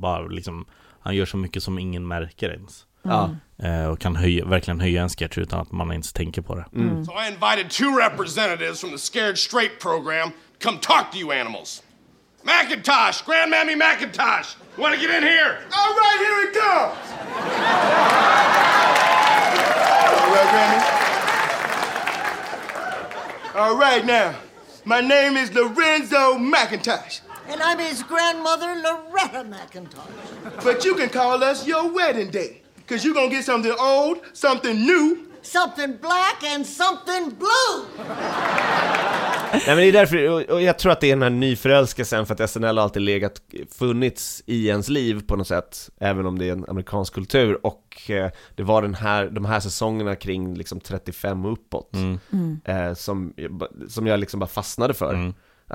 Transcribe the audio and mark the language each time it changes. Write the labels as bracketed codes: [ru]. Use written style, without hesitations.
[sv] Bara liksom, han gör så mycket som ingen märker ens. Ja. Och kan höja, verkligen höja en sketch utan att man ens tänker på det. [en] Mm. So I invited two representatives from the Scared Straight program to come talk to you animals. McIntosh, Grandmammy McIntosh. Want to get in here? All right, here it comes. Well, Grammy. All right now. My name is Lorenzo McIntosh. And I'm his grandmother, Loretta McIntosh. But you can call us your wedding day. Because you're going to get something old, something new. Something black and something blue. [sv] Nej, men det är därför, och jag tror att det är den här nyförälskelsen, för att SNL har alltid legat, funnits i ens liv på något sätt, även om det är en amerikansk kultur. Och det var den här, de här säsongerna kring liksom 35 och uppåt som jag liksom bara fastnade för. Mm.